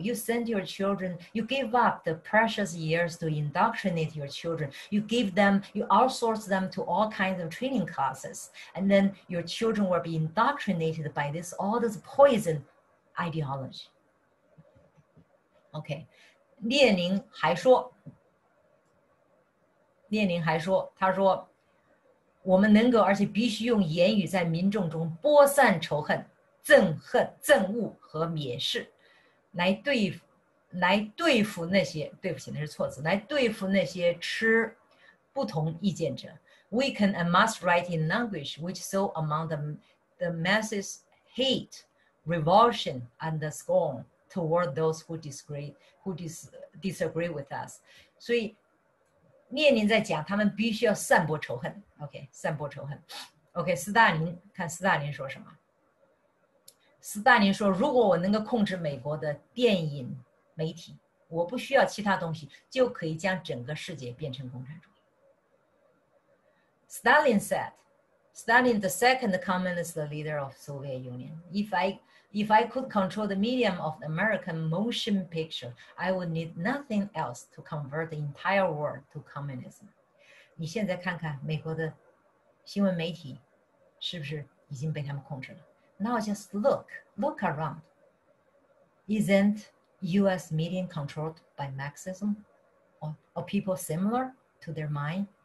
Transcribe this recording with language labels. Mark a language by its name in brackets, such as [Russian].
[English] You send your children, you give up the precious years to indoctrinate your children. You give them, you outsource them to all kinds of training classes. And then your children will be indoctrinated by this, all this poison ideology. [Chinese] Okay, 列宁还说，他说，我们能够而且必须用言语在民众中播散仇恨。憎恨、憎恶和蔑视，来对付那些，对不起，那是错字，来对付那些持不同意见者。 [English] Weaken and must write in language which sow among the masses hate, revulsion, and the scorn toward those who disagree with us. [Chinese] 所以，列宁在讲，他们必须要散播仇恨。 OK， 散播仇恨。OK， 斯大林，看斯大林说什么。斯大林说，如果我能够控制美国的电影媒体，我不需要其他东西，就可以将整个世界变成共产主义。 [English] Stalin said, Stalin, the second communist leader of Soviet Union, if I could control the medium of the American motion picture, I would need nothing else to convert the entire world to communism. [Chinese] 你现在看看美国的新闻媒体是不是已经被他们控制了。 [English] Now just look around. Isn't U.S. media controlled by Marxism? Or people similar to their mind?